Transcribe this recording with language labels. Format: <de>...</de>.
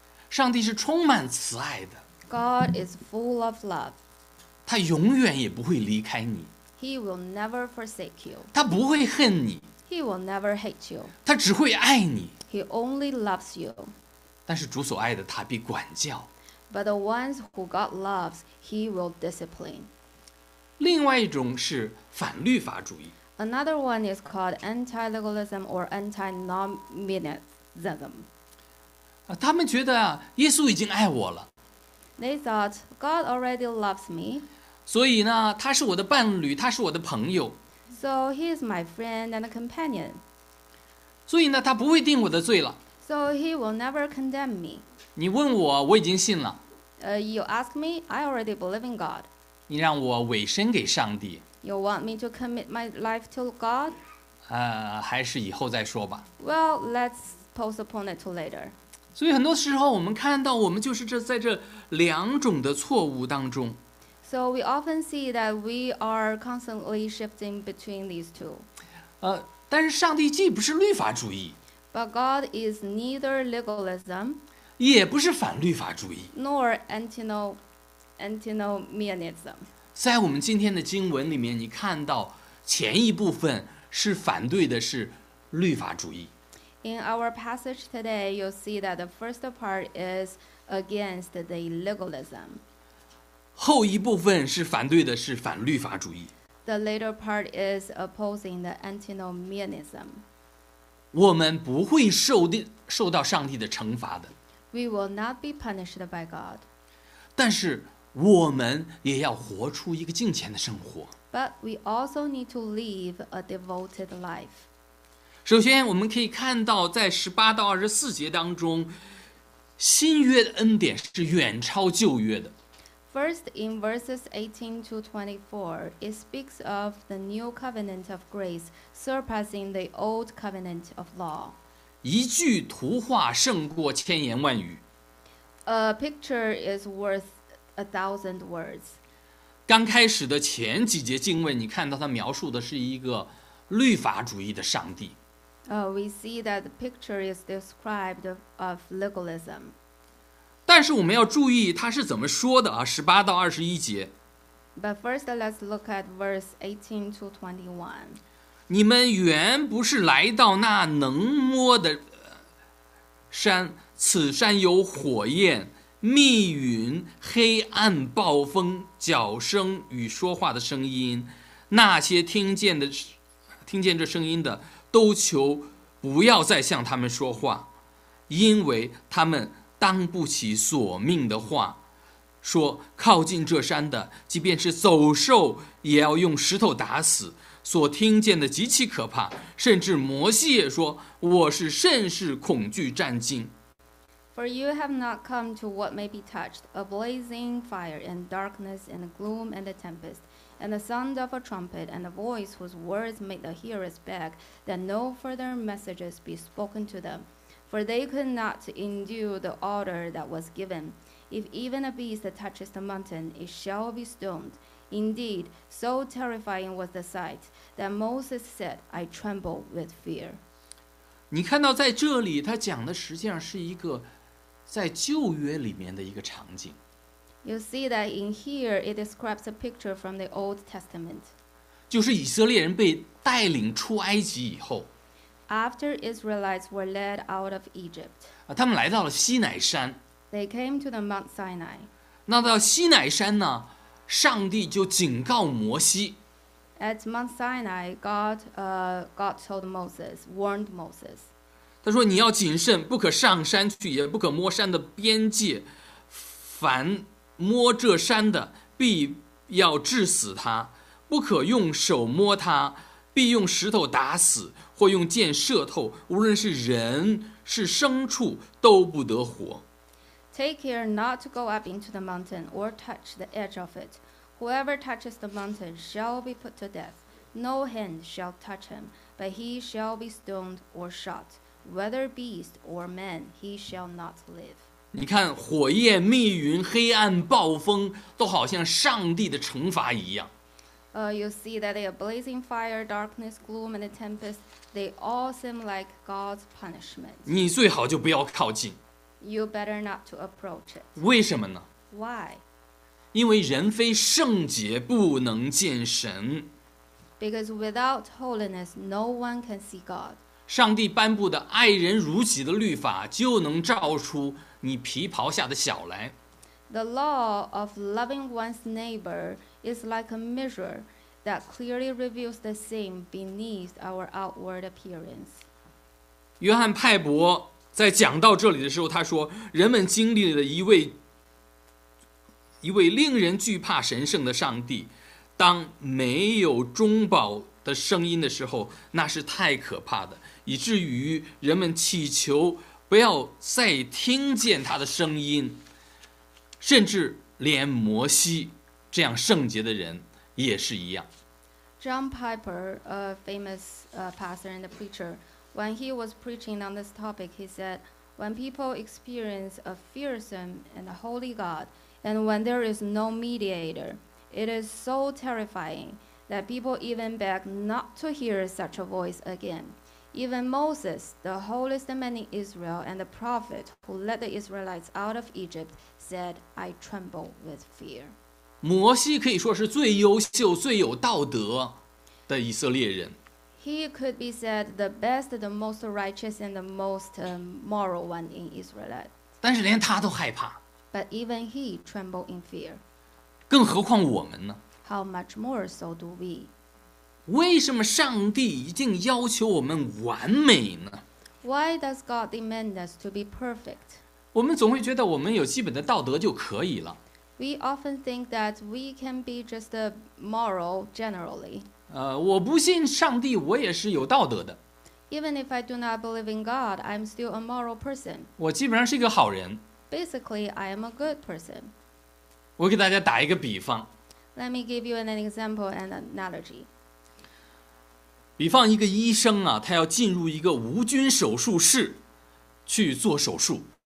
<zh>上帝是充满慈爱的。</zh> <en>God is full of love.</en> <zh>他永远也不会离开你。</zh> <en>He will never forsake you.</en> <zh>他不会恨你。</zh> <en>He will never hate you.</en> <zh>他只会爱你。</zh> <en>He only loves you.</en> <zh>但是主所爱的他必管教。</zh> <en>But the ones who God loves, he will discipline.</en> <zh>另外一种是反律法主义。</zh> <en>Another one is called anti-legalism or anti-nominalism.</en> <zh>他们觉得耶稣已经爱我了。</zh> <en>They thought God already loves me.</en> <zh>所以呢，他是我的伴侣，他是我的朋友。</zh> <en>So he is my friend and a companion.</en> <zh>所以呢，他不会定我的罪了。</zh> <en>So he will never condemn me.</en> <zh>你问我，我已经信了。</zh> <en>You ask me, I already believe in God.</en> <zh>你让我委身给上帝。</zh> <en>You want me to commit my life to God?</en> <zh>还是以后再说吧。</zh> <en>Well, let's postpone it to later.</en> <zh>所以很多时候我们看到我们就是在这两种的错误当中。</zh> <en>So we often see that we are constantly shifting between these two.</en> <zh>但是上帝既不是律法主义。</zh> <en>But God is neither legalism.</en> <zh>也不是反律法主义。</zh> <en>Nor antinomianism.</en> <zh>在我们今天的经文里面你看到前一部分是反对的是律法主义。</zh> <en>In our passage today, you'll see that the first part is against the legalism.</en> <zh>后一部分是反对的是反律法主义。</zh> <en>The later part is opposing the antinomianism.</en> <zh>我们不会受到上帝的惩罚的。</zh> <en>We will not be punished by God.</en> <zh>但是我们也要活出一个敬虔的生活。</zh> <en>But we also need to live a devoted life.</en> <zh>首先我们可以看到在18-24节当中，新约的恩典是远超旧约的。</zh> <en>First, in verses 18-24, it speaks of the new covenant of grace surpassing the old covenant of law.</en> <zh>一句图画胜过千言万语。</zh> <en>A picture is worth 1,000 words.</en> <zh>刚开始的前几节经文，你看到它描述的是一个律法主义的上帝。</zh> <en>We see that the picture is described of legalism.</en> <zh>但是我们要注意它是怎么说的啊，18-21节。</zh> <en>But first, let's look at verse 18-21.</en> <zh>你们原不是来到那能摸的山，此山有火焰、密云、黑暗、暴风、脚声与说话的声音，那些听见这声音的都求不要再向他们说话，因为他们当不起索命的话，说靠近这山的即便是走兽也要用石头打死，所听见的极其可怕，甚至摩西也说我是甚是恐惧战惊。</zh> <en>For you have not come to what may be touched, a blazing fire, and darkness, and gloom, and a tempest, and the sound of a trumpet, and a voice whose words made the hearers beg that no further messages be spoken to them. For they could not endure the order that was given. If even a beast touches the mountain, it shall be stoned. Indeed, so terrifying was the sight that Moses said, I tremble with fear.</en> <zh>你看到在这里他讲的实际上是一个在旧约里面的一个场景。</zh> <en>You see that in here it describes a picture from the Old Testament.</en> <zh>就是以色列人被带领出埃及以后。</zh> <en>After Israelites were led out of Egypt.</en> <zh>他们来到了西乃山。</zh> <en>They came to the Mount Sinai.</en> <zh>那到西乃山呢，上帝就警告摩西。</zh> <en>At Mount Sinai, God told Moses, warned Moses.</en> <zh>他说你要谨慎，不可上山去，也不可摸山的边界，凡摸这山的必要致死他，不可用手摸他，必用石头打死或用箭射透，无论是人是牲畜都不得活。</zh> <en>Take care not to go up into the mountain or touch the edge of it. Whoever touches the mountain shall be put to death. No hand shall touch him, but he shall be stoned or shot. Whether beast or man, he shall not live.</en> <zh>你看火焰、密云、黑暗、暴风都好像上帝的惩罚一样。</zh> <en>You see that a blazing fire, darkness, gloom, and a tempest, they all seem like God's punishment.</en> <zh>你最好就不要靠近。</zh> <en>You better not to approach it.</en> <zh>为什么呢？</zh> <en>Why?</en> <zh>因为人非圣洁不能见神。</zh> <en>Because without holiness, no one can see God.</en> <zh>上帝颁布的爱人如己的律法就能照出你皮袍下的小来。</zh> <en>The law of loving one's neighbor is like a mirror that clearly reveals the sin beneath our outward appearance.</en> <zh>约翰派伯在讲到这里的时候，他说人们经历了一位令人惧怕神圣的上帝，当没有中保的声音的时候，那是太可怕的，以至于人们祈求不要再听见他的声音，甚至连摩西这样圣洁的人也是一样。</zh> <en>John Piper, a famous pastor and a preacher, when he was preaching on this topic, he said, when people experience a fearsome and a holy God, and when there is no mediator, it is so terrifying that people even beg not to hear such a voice again. Even Moses, the holiest man in Israel, and the prophet who led the Israelites out of Egypt, said, I tremble with fear.</en> <zh>摩西可以说是最优秀、最有道德的以色列人。</zh> <en>He could be said the best, the most righteous, and the most moral one in Israel.</en> <zh>但是连他都害怕。</zh> <en>But even he trembled in fear.</en> <zh>更何况我们呢？</zh> <en>How much more so do we?</en> <zh>为什么上帝一定要求我们完美呢？</zh> <en>Why does God demand us to be perfect?</en> <zh>我们总会觉得我们有基本的道德就可以了。</zh> <en>We often think that we can be just a moral generally.</en> <zh>我不信上帝，我也是有道德的。</zh> <en>Even if I do not believe in God, I'm still a moral person.</en> <zh>我基本上是一个好人。</zh> <en>Basically, I am a good person.</en> <zh>我给大家打一个比方。</zh> <en>Let me give you an example and analogy.</en> <zh>比方一个医生啊，他要进入一个无菌手术室去做手术。</zh>